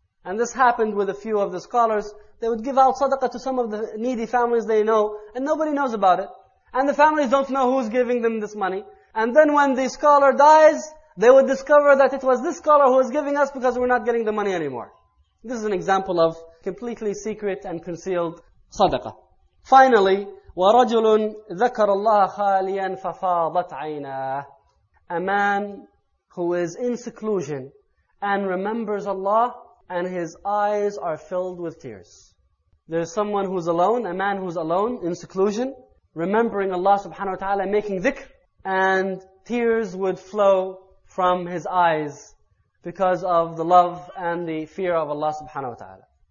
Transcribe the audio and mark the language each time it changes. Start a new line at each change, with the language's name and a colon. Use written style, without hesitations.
English: And this happened with a few of the scholars. They would give out sadaqah to some of the needy families they know, and nobody knows about it. And the families don't know who's giving them this money. And then when the scholar dies, they would discover that it was this scholar who was giving us because we're not getting the money anymore. This is an example of completely secret and concealed sadaqah. Finally,
Arabic: وَرَجُلٌ ذَكَرَ اللَّهَ خَالِيًا فَفَاضَتْ عَيْنَاهُ.
English: A man who is in seclusion and remembers Allah, and his eyes are filled with tears. There's someone who's alone, a man who's alone in seclusion, remembering Allah subhanahu wa ta'ala, making dhikr, and tears would flow from his eyes because of the love and the fear of Allah subhanahu wa ta'ala.